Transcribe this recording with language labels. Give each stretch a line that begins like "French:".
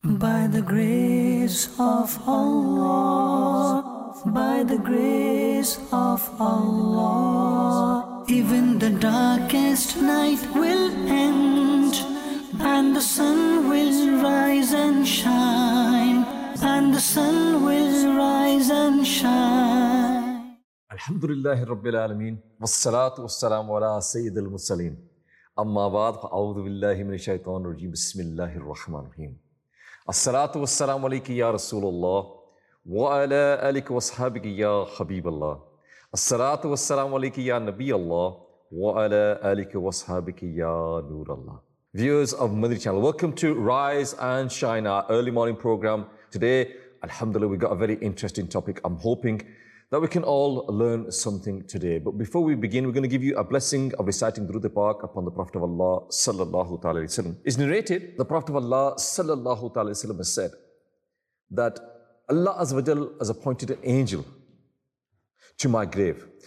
English: by the grace of Allah, by the grace of Allah, even the darkest night will end, and the sun will rise and shine, and the sun will rise and shine.
Arabic: Alhamdulillahi Rabbil Alameen, wassalatu wassalamu ala Sayyidil Mursaleen. اما بعد اعوذ باللہ من الشیطان الرجیم بسم اللہ الرحمن الرحیم الصلاۃ والسلام علیک یا رسول اللہ وعلی آلک واصحابک یا حبیب اللہ الصلاۃ والسلام علیک یا نبی اللہ وعلی آلک واصحابک یا نور اللہ
English: Viewers of Madri channel, welcome to Rise and Shine, our early morning program. Today, alhamdulillah, we've got a very interesting topic. I'm hoping that we can all learn something today. But before we begin, we're going to give you a blessing of reciting Durood e Pak upon the Prophet of Allah sallallahu ta'ala alayhi wa sallam. It's narrated, the Prophet of Allah sallallahu ta'ala alayhi wa sallam has said that Allah azza wa jal has appointed an angel to my grave.